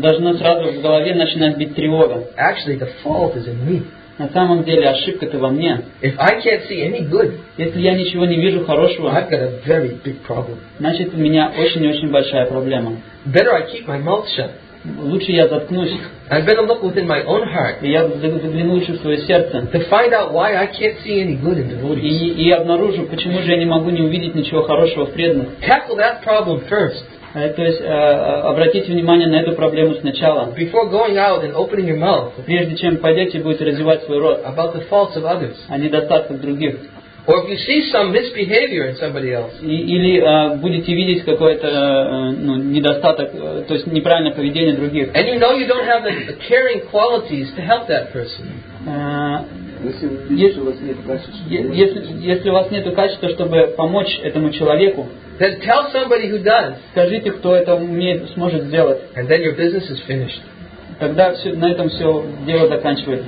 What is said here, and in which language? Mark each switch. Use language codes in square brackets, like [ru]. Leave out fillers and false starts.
[ru] Должно сразу в голове начинать бить тревога. [en] Actually, the fault is in me. [ru] На самом деле ошибка-то во мне. [en] If I can't see any good, [ru] если я ничего не вижу хорошего, [en] I've got a very big problem. [ru] Значит, у меня очень и очень большая проблема. [en] Better I keep my mouth shut. [ru] Лучше я заткнусь. [en] I better look within my own heart. [ru] И я загляну в свое сердце. [en] To find out why I can't see any good in devotees. [ru] И обнаружу, почему же я не могу не увидеть ничего хорошего в преданных. [en] Tackle that problem first. [ru] То есть обратите внимание на эту проблему сначала. [en] Before going out and opening your mouth. [ru] Прежде чем пойдете и будете развивать свой рот. [en] About the faults of others. [ru] О недостатках других. [en] Or if you see some misbehavior in somebody else. [ru] Или будете видеть какое-то недостаток, то есть неправильное поведение других. [en] And you know you don't have the caring qualities to help that person. [ru] Если у вас нет качества, чтобы помочь этому человеку, [en] then tell somebody who does. [ru] Скажите, кто это умеет, сможет сделать. [en] And then your business is finished. [ru] Тогда все, на этом все дело заканчивается.